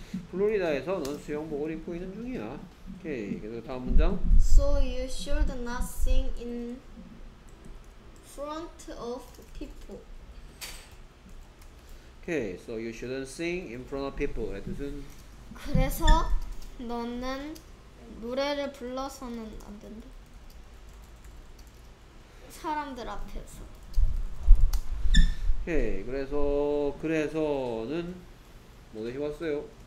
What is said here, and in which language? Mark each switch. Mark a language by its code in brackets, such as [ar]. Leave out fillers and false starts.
[ko] 플로리다에서 넌 수영복을 입고 있는 중이야. 오케이. 그래서 다음 문장. [en] So you should not sing in front of people. Okay. So you shouldn't sing in front of people. [ko] 뜻은 그래서 너는 노래를 불러서는 안 된다. 사람들 앞에서. 오케이. 그래서 그래서는 뭐 대신 왔어요?